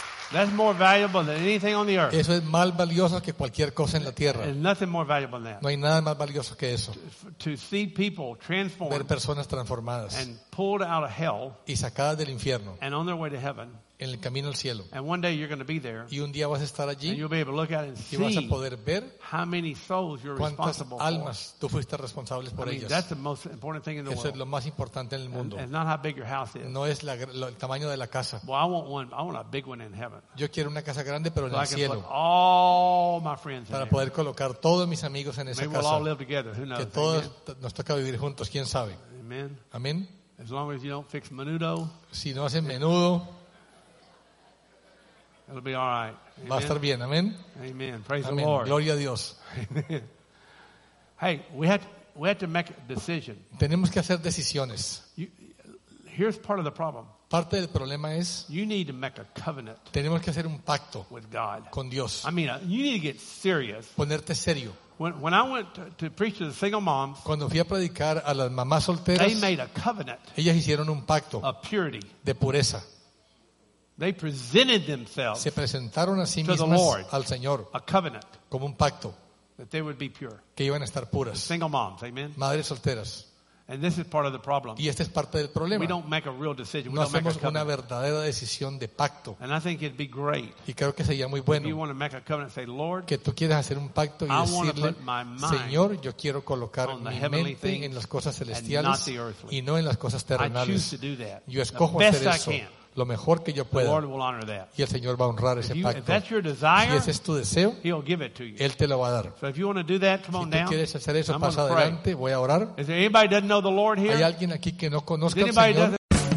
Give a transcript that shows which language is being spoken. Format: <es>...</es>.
<en>That's more valuable than anything on the earth.</en> <es>Eso es más valioso que cualquier cosa en la tierra.</es> <en>There's nothing more valuable than that.</en> <es>No hay nada más valioso que eso.</es> <en>To see people transformed.</en> <es>Ver personas transformadas.</es> <en>And pulled out of hell.</en> <es>Y sacadas del infierno.</es> <en>And on their way to heaven.</en> <es>En el camino al cielo.</es> <en>And one day you're going to be there.</en> <es>Y un día vas a estar allí.</es> <en>And you'll be able to look at it and see.</en> <es>Y vas a poder ver.</es> <en>How many souls you're responsible for.</en> <es>Cuántas almas tú fuiste responsable por ellas.</es> <en>That's the most important thing in the world.</en> <es>Eso es lo más importante en el mundo.</es> <en>And not how big your house is.</en> <es>No es el tamaño de la casa.</es> <en>Well, I want one. I want a big one in heaven.</en> <es>Yo quiero una casa grande, pero en el cielo.</es> <en>So I can put all my friends in.</en> <es>Para poder colocar todos mis amigos en esa casa.</es> <en>Maybe we'll all live together. Who knows?</en> <es>Que todos nos toca vivir juntos. Quién sabe.</es> <en>Amen.</en> <es>Amen.</es> <en>As long as you don't fix menudo.</en> <es>Si no hacen menudo.</es> <en>It'll be all right.</en> <es>Amen. Va a estar bien. Amen.</es> <en>Amen. Praise Amen. The Lord.</en> <es>Gloria a Dios.</es> <en>Hey, we had to make a decision.</en> <es>Tenemos que hacer decisiones.</es> <en>Here's part of the problem.</en> <es>Parte del problema es.</es> <en>You need to make a covenant.</en> <es>Tenemos que hacer un pacto</es> <en>with God.</en> <es>Con Dios.</es> <en>I mean, you need to get serious.</en> <es>Ponerte serio.</es> <en>When I went to preach to the single moms,</en> <es>cuando fui a predicar a las mamás solteras,</es> <en>they made a covenant.</en> <es>Ellas hicieron un pacto.</es> <en>Of purity.</en> <es>De pureza.</es> <en>They presented themselves</en> <es>se presentaron a sí</es> <en>to the Lord</en> <es>al Señor,</es> <en>a covenant</en> <es>como un pacto,</es> <en>that they would be pure.</en> <es>Que iban a estar puras.</es> <en>Single moms, amen.</en> <es>Madres solteras.</es> <en>And this is part of the problem.</en> <es>Y este es parte del problema.</es> <en>We don't make a real decision.</en> <es>No hacemos una verdadera decisión de pacto.</es> <en>And I think it'd be great.</en> <es>Y creo que sería muy bueno.</es> <en>If you want to make a covenant, say, Lord,</en> <es>que tú quieras hacer un pacto y</es> <en>I</en> <es>decirle, Señor, yo quiero colocar mi mente en las cosas celestiales y no en las cosas terrenales. Yo escojo hacer eso. Lo mejor que yo pueda.</es> <en>The Lord will honor that.</en> <es>Y el Señor va a honrar ese pacto.</es> <en>If that's your desire,</en> <es>si ese es tu deseo,</es> <en>he'll give it to you.</en> <es>Él te lo va a dar.</es> <en>So if you want to do that, come on</en> <es>si tú quieres hacer eso, pasa adelante,</es> <en>pray.</en> <es>Voy a orar.</es> <en>Is there anybody that doesn't know the Lord here?</en> <es>¿Hay alguien aquí que no conozca al Señor?</es>